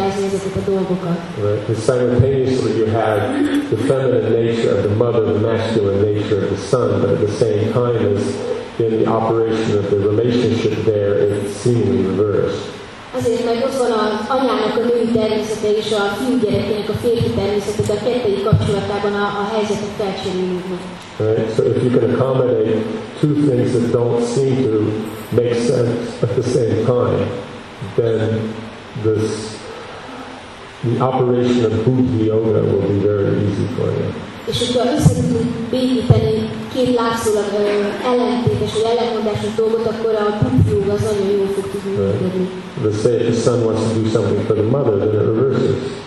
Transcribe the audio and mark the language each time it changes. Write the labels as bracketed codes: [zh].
[en] Right, because simultaneously you have the feminine nature of the mother, the masculine nature of the son, but at the same time as in the operation of the relationship there, it's seemingly reversed. [hu] Azért, mert ott van az anyának a női természete és a fiú gyerekének a férfi természete, de a kettőjük kapcsolatában a helyzetet felcserélünk. [en] Right, so if you can accommodate two things that don't seem to make sense at the same time, then the operation of Bhuti Yoga will be very easy for you. [hu] És hogyha összetudunk békíteni két látszólag ellentétes vagy ellentmondásos dolgot, akkor a Bhuti Yoga az nagyon jól fog tudni működni. [en] Let's say if the son wants to do something for the mother, then it reverses.